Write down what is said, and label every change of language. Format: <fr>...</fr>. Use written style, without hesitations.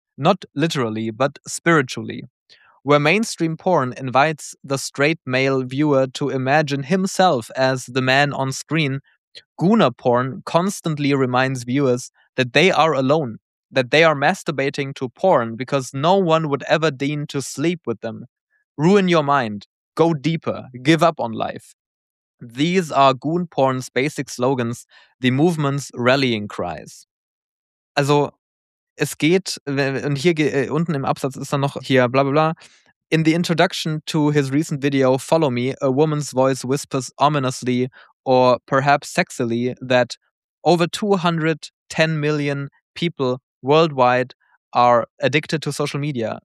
<en>Not literally, but spiritually. Where mainstream porn invites the straight male viewer to imagine himself as the man on screen, Gooner porn constantly reminds viewers that they are alone, that they are masturbating to porn because no one would ever deign to sleep with them. Ruin your mind. Go deeper. Give up on life. These are Goon Porn's basic slogans, the movement's rallying cries.</en> <de>Also, es geht, und hier unten im Absatz ist dann noch hier, bla bla bla.</de> <en>In the introduction to his recent video, Follow Me, a woman's voice whispers ominously, or perhaps sexily, that over 210 million people worldwide are addicted to social media.</en>